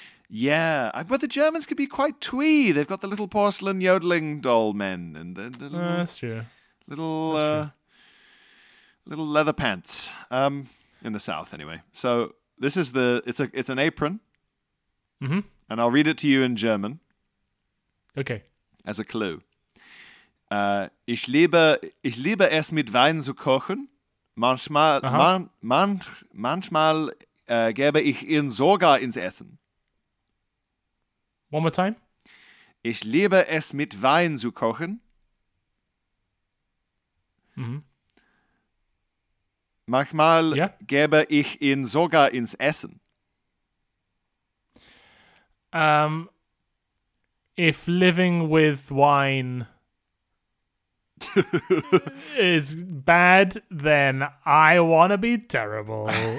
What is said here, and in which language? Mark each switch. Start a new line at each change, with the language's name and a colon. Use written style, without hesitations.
English: Yeah, but the Germans can be quite twee. They've got the little porcelain yodeling doll men. And that's true. Little leather pants, in the south, anyway. So this is it's an apron, mm-hmm. And I'll read it to you in German. Okay.
German: As a clue, ich liebe es mit Wein zu kochen. Manchmal gebe ich ihn sogar ins Essen.
English: One more time.
German: Ich liebe es mit Wein zu kochen. Mm-hmm. Manchmal gebe ich ihn sogar ins Essen.
English: If living with wine is bad, then I want to be terrible.